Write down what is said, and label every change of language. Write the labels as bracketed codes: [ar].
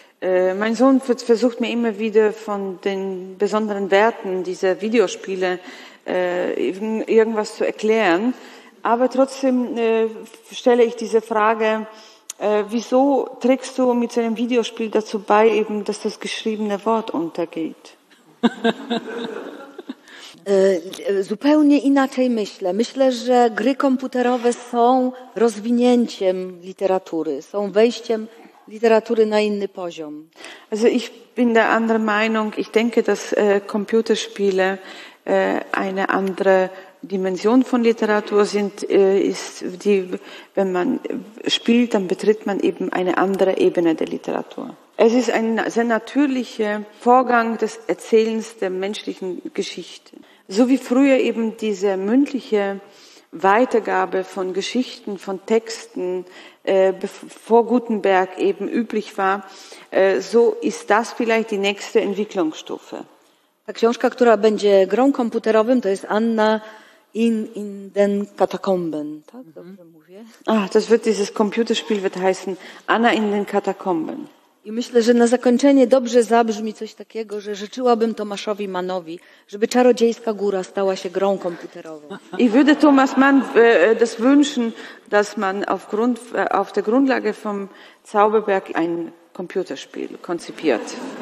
[de] Mein Sohn versucht mir immer wieder von den besonderen Werten dieser Videospiele irgendwas zu erklären. Aber trotzdem stelle ich diese Frage, wieso trägst du mit so einem Videospiel dazu bei, eben, dass das geschriebene Wort untergeht? [pl] Zupełnie inaczej myślę. Myślę, że gry komputerowe są rozwinięciem literatury, są wejściem literatury na inny poziom. [de] Also ich bin der anderen Meinung. Ich denke, dass Computerspiele eine andere Dimension von Literatur sind, ist die, wenn man spielt, dann betritt man eben eine andere Ebene der Literatur. Es ist ein sehr natürlicher Vorgang des Erzählens der menschlichen Geschichte. So wie früher eben diese mündliche Weitergabe von Geschichten, von Texten vor Gutenberg eben üblich war, so ist das vielleicht die nächste Entwicklungsstufe. [pl] Ta książka, która będzie grą komputerową, to jest Anna in den Katakomben. Tak, dobrze mówię. [de] Ach, das wird dieses Computerspiel wird heißen Anna in den Katakomben. [pl] I myślę, że na zakończenie dobrze zabrzmi coś takiego, że życzyłabym Tomaszowi Mannowi, żeby Czarodziejska Góra stała się grą komputerową. [de] I würde Thomas Mann das wünschen, dass man auf der Grundlage vom Zauberberg ein Computerspiel konzipiert.